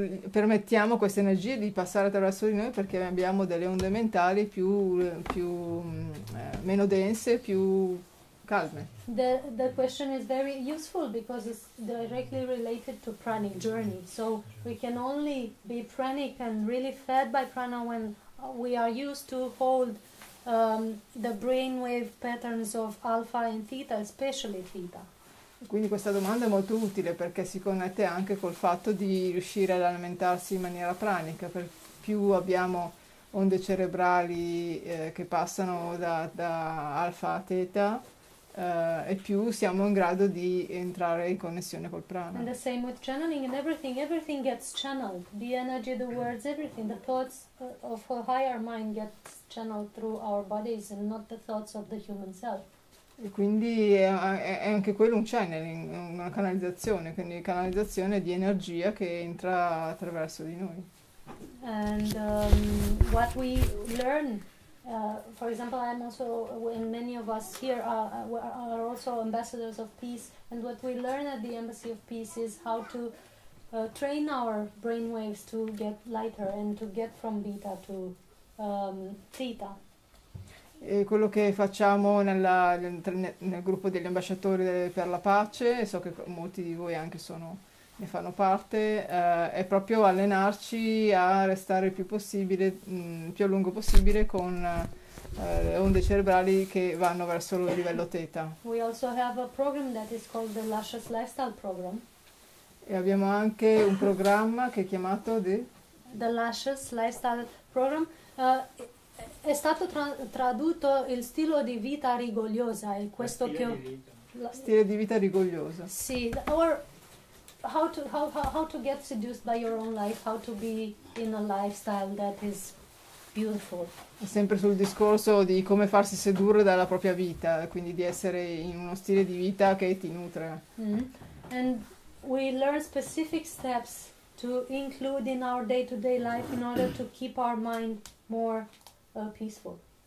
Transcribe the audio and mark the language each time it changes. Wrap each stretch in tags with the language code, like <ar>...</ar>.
<it>Permettiamo queste energie di passare attraverso di noi perché abbiamo delle onde mentali meno dense, più calme.</it> <en>The question is very useful because it's directly related to pranic journey. So we can only be pranic and really fed by prana when we are used to hold the brainwave patterns of alpha and theta, especially theta.</en> <it>Quindi questa domanda è molto utile perché si connette anche col fatto di riuscire ad alimentarsi in maniera pranica. Per più abbiamo onde cerebrali che passano da alfa a theta. e più siamo in grado di entrare in connessione col prana.</it> <en>And the same with channeling and everything. Everything gets channeled. The energy, the words, everything, the thoughts of a higher mind gets channeled through our bodies and not the thoughts of the human self.</en> <it>E quindi è anche quello un channeling, una canalizzazione, quindi canalizzazione di energia che entra attraverso di noi.</it> <en>And what we learn, for example, I'm also, and many of us here are also ambassadors of peace, and what we learn at the Embassy of Peace is how to train our brainwaves to get lighter and to get from beta to theta.</en> <it>E quello che facciamo nel gruppo degli ambasciatori per la pace, e so che molti di voi anche ne fanno parte, è proprio allenarci a restare il più possibile, più a lungo possibile, con le onde cerebrali che vanno verso il livello theta.</it> <en>We also have a program that is called the Luscious Lifestyle Program.</en> <it>E abbiamo anche un programma che è chiamato</it> <en>The Luscious Lifestyle Program.</en> <it>È stato tradotto il stile di vita rigogliosa, e questo che stile di vita rigogliosa.</it> <en>Sì, or how to get seduced by your own life, how to be in a lifestyle that is beautiful.</en> <it>Sempre sul discorso di come farsi sedurre dalla propria vita, quindi di essere in uno stile di vita che ti nutre.</it> <en>And we learn specific steps to include in our day-to-day life in order to keep our mind more peaceful.</en>